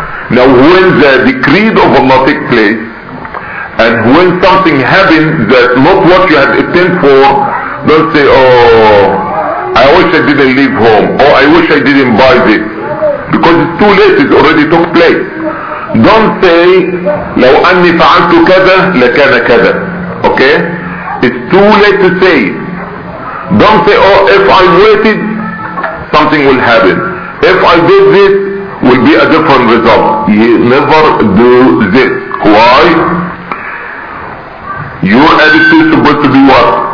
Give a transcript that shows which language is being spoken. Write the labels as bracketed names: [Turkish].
[English] Now when the decree of Allah takes place, and when something happens that not what you had intended for, don't say, oh, I wish I didn't leave home, or I wish I didn't buy this, because it's too late, it already took place. Don't say, [Arabic] لو أني فعلت كذا لكان كذا. [English] Okay? It's too late to say. Don't say, oh, if I waited, something will happen. If I did this, will be a different result. You never do this. Why? Your attitude is supposed to be what?